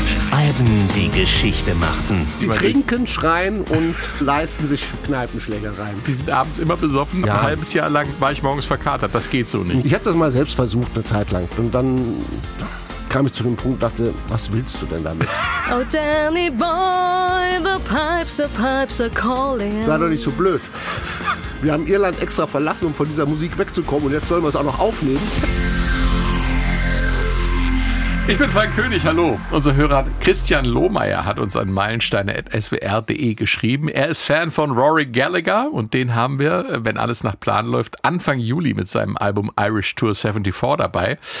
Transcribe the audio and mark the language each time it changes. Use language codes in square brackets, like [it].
[de] Alben, die Geschichte machten. Sie trinken, schreien und leisten sich Kneipenschlägereien. Sie sind abends immer besoffen, ja. Ein halbes Jahr lang war ich morgens verkatert. Das geht so nicht. Ich habe das mal selbst versucht, eine Zeit lang. Und dann kam ich zu dem Punkt und dachte, was willst du denn damit? [en] Oh, Danny Boy, the pipes are calling. [de] Sei doch nicht so blöd. Wir haben Irland extra verlassen, um von dieser Musik wegzukommen. Und jetzt sollen wir es auch noch aufnehmen. Ich bin Frank König, hallo. Unser Hörer Christian Lohmeier hat uns an meilensteine@swr.de geschrieben. Er ist Fan von Rory Gallagher und den haben wir, wenn alles nach Plan läuft, Anfang Juli mit seinem Album Irish Tour 74 dabei.